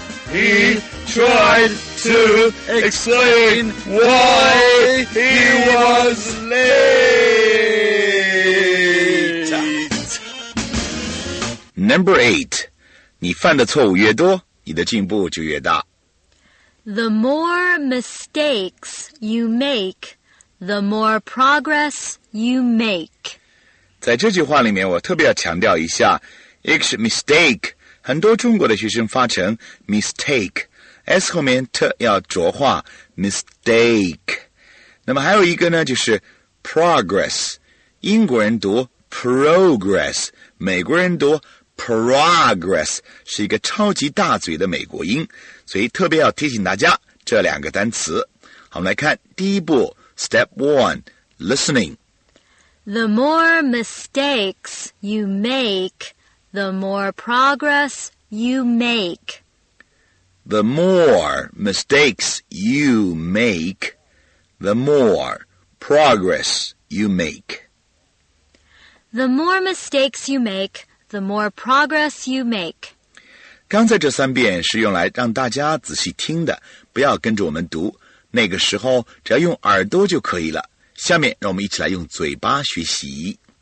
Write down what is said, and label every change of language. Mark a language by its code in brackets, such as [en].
[en] He tried to explain why he was late. Number 8. [zh] 你犯的错误越多,你的进步就越大。 [en] The more mistakes you make, the more progress you make. [zh] 在这句话里面我特别要强调一下 [en] each mistake, [zh] 很多中国的学生发成 mistake,S 后面 t 要浊化 mistake 那么还有一个呢就是 progress 英国人读 progress 美国人读 progress 是一个超级大嘴的美国音所以特别要提醒大家这两个单词好我们来看第一步 [en] step 1 listening The more mistakes you make the more progress you make The more mistakes you make, the more progress you make. The more mistakes you make, the more progress you make. [zh] 刚才这三遍是用来让大家仔细听的，不要跟着我们读。那个时候只要用耳朵就可以了。下面让我们一起来用嘴巴学习。